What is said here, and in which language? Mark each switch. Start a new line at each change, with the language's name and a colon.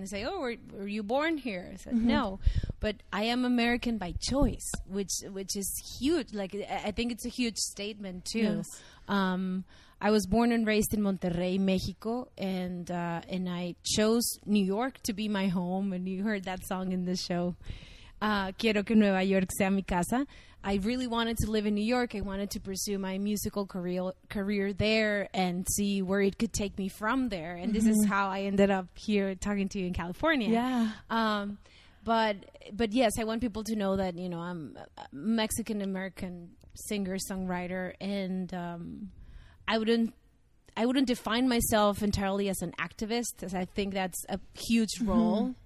English: They say, oh, were you born here? I said, mm-hmm. no. But I am American by choice, which is huge. Like, I think it's a huge statement, too. Yes. I was born and raised in Monterrey, Mexico, and I chose New York to be my home. And you heard that song in the show.
Spanish: Quiero que Nueva York sea mi casa.
English: I really wanted to live in New York. I wanted to pursue my musical career there and see where it could take me from there. And mm-hmm. this is how I ended up here talking to you in California. Yeah. But yes, I want people to know that, you know, I'm a Mexican American singer, songwriter, and I wouldn't define myself entirely as an activist, as I think that's a huge role. Mm-hmm.